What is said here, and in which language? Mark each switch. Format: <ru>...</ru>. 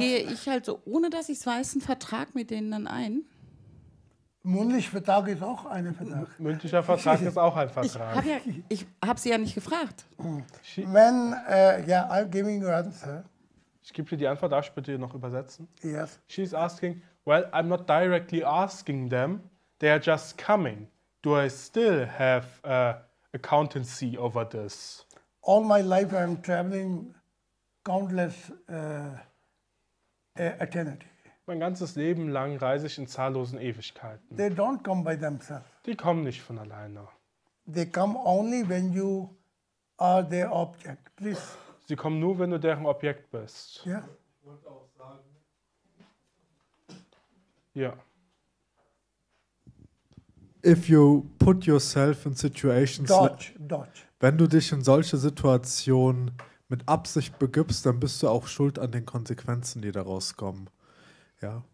<de>gehe ich halt so, ohne dass ich es weiß, einen Vertrag mit denen dann ein? Mündlicher Vertrag ist auch ein Vertrag. Mündlicher Vertrag ist auch ein Vertrag. Ich hab sie ja nicht gefragt.</de> <en>When, I'm giving you an answer.</en> <de>Ich gebe dir die Antwort, darf ich bitte noch übersetzen?</de> <en>Yes. She's asking, well, I'm not directly asking them, they are just coming. Do I still have accountancy over this? All my life I'm traveling countless eternity.</en> <de>Mein ganzes Leben lang reise ich in zahllosen Ewigkeiten.</de> <en>They don't come by themselves.</en> <de>Die kommen nicht von alleine.</de> <en>They come only when you are their object. Please.</en> <de>Sie kommen nur, wenn du deren Objekt bist. Ja. Ich wollte auch sagen. Ja.</de> <en>If you put yourself in situations. Dodge.</en> <de>Wenn du dich in solche Situationen mit Absicht begibst, dann bist du auch schuld an den Konsequenzen, die daraus kommen. Ja.</de>